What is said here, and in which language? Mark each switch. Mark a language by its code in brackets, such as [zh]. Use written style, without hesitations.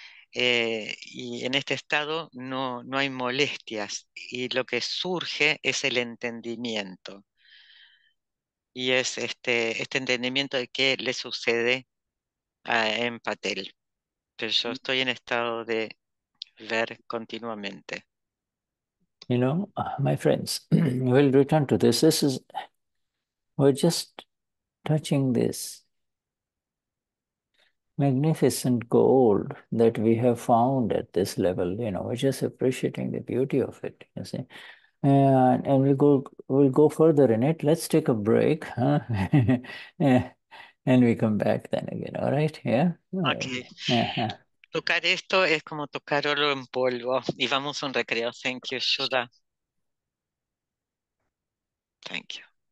[es] Y en este estado no hay molestias y lo que surge es el entendimiento. Y es este entendimiento de qué le sucede en Patel, pero yo estoy en estado de ver continuamente. [en] You know, my friends, we'll return to this. This is, we're just touching this magnificent gold that we have found at this level. You know, we're just appreciating the beauty of it, you see. And we'll go further in it. Let's take a break, huh? Yeah. And we come back then again, all right? Yeah? All right. Okay. [es] Tocar esto es como tocar oro en polvo. Y vamos a un recreo. [en] Thank you, Shuda. Thank you.